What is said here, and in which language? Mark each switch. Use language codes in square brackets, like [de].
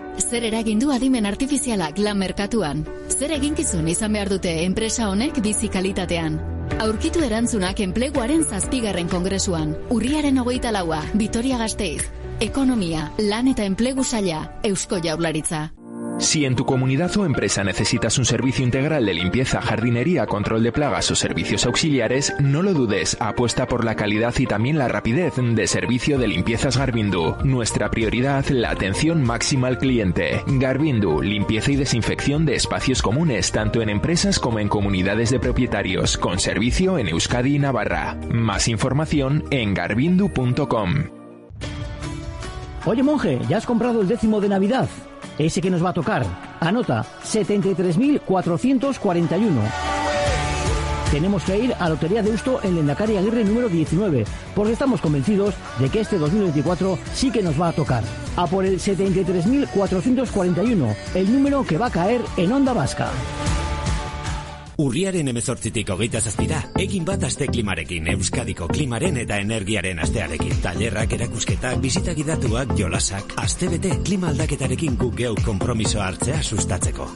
[eu] Zer eragin du adimen artifizialak lan merkatuan? Zer eginkizun izan behar dute enpresa honek bizi kalitatean? Aurkitu erantzunak enpleguaren 7. kongresuan, urriaren 24a, Vitoria Gasteiz. Ekonomia, lan eta enplegu saila, Eusko Jaurlaritza. [es] Si en tu comunidad o empresa necesitas un servicio integral de limpieza, jardinería, control de plagas o servicios auxiliares, no lo dudes, apuesta por la calidad y también la rapidez de servicio de limpiezas Garbindu. Nuestra prioridad, la atención máxima al cliente. Garbindu, limpieza y desinfección de espacios comunes, tanto en empresas como en comunidades de propietarios, con servicio en Euskadi y Navarra. Más información en garbindu.com. Oye, Monje, ¿ya has comprado el décimo de Navidad? Ese que nos va a tocar. Anota, 73.441. Tenemos que ir a Lotería de Deusto en Lendakari Aguirre número 19, porque estamos convencidos de que este 2024 sí que nos va a tocar. A por el 73.441, el número que va a caer en Onda Vasca. [eu] Urriaren 18tik 27 da. Egin bat aste klimarekin, Euskadiko klimaren eta energiaren astearekin. Tailerrak, erakusketak, bisita gidatuak, jolasak. Aste bete klima aldaketarekin guk geu konpromiso hartzea sustatzeko.